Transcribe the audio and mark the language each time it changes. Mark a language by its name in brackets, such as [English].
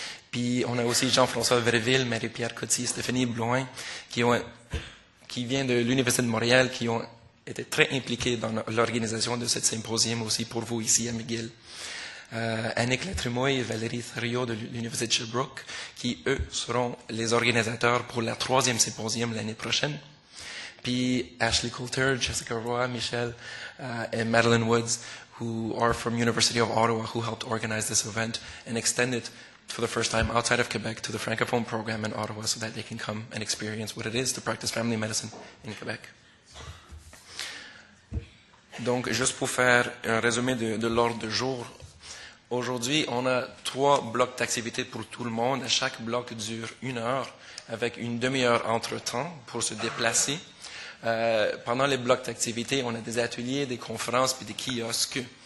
[French] Puis on a aussi Jean-François Verville, Marie-Pierre Cotty, Stéphanie Blouin, qui vient de l'Université de Montréal, qui ont été très impliqués dans l'organisation de cette symposium aussi pour vous ici à McGill. Annick Latrimouille et Valérie Thériault de l'Université de Sherbrooke, qui, eux, seront les organisateurs pour la troisième symposium l'année prochaine. Puis [English] Ashley Coulter, Jessica Roy, Michelle et Madeline Woods, who are from University of Ottawa, who helped organize this event and extend it for the first time outside of Quebec to the Francophone program in Ottawa so that they can come and experience what it is to practice family medicine in Quebec. [French] Donc, juste pour faire un résumé de l'ordre du jour, aujourd'hui, on a trois blocs d'activités pour tout le monde. Chaque bloc dure une heure avec une demi-heure entre-temps pour se déplacer. Pendant les blocs d'activités, on a des ateliers, des conférences puis des kiosques.